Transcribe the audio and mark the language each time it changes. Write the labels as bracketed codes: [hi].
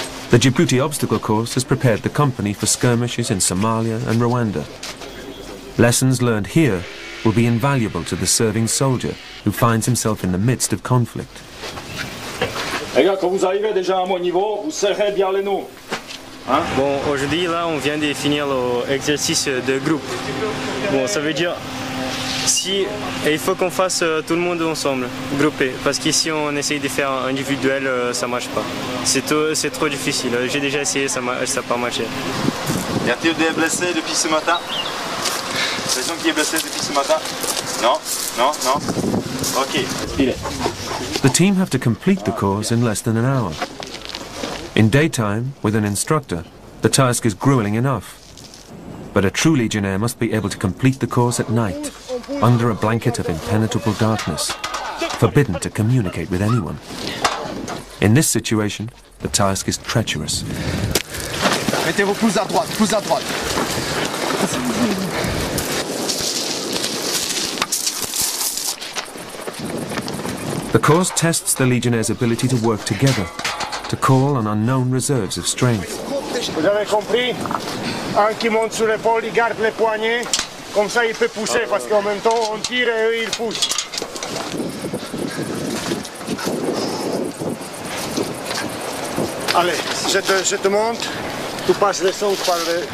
[en] The Djibouti obstacle course has prepared the company for skirmishes in Somalia and Rwanda. Lessons learned here will be invaluable to the serving soldier who finds himself in the midst of conflict. [fr] Les gars, quand vous arrivez déjà à mon niveau, vous serrez bien les noms. Hein? Bon, aujourd'hui, là, on vient de finir l'exercice de groupe. Bon, ça veut dire ici, il faut qu'on fasse tout le monde ensemble, groupé. Parce qu'ici, on essaye de faire individuel, ça marche pas. C'est trop difficile. J'ai déjà essayé, ça pas marché. Y a-t-il des blessés depuis ce matin? Des gens qui sont blessés depuis ce matin? Non, non, non. Ok. [en] The team have to complete the course in less than an hour. In daytime, with an instructor, the task is grueling enough. But a true legionnaire must be able to complete the course at night, under a blanket of impenetrable darkness, forbidden to communicate with anyone. In this situation, the task is treacherous. [fr] Mettez-vous plus à droite, plus à droite. [en] The course tests the legionnaire's ability to work together, to call on unknown reserves of strength. [fr] Vous avez compris? Un qui monte sur l'épaule, il garde les poignets, comme ça il peut pousser, parce qu'en même temps on tire et il pousse. Allez, je te monte, tu passes les sauts par le...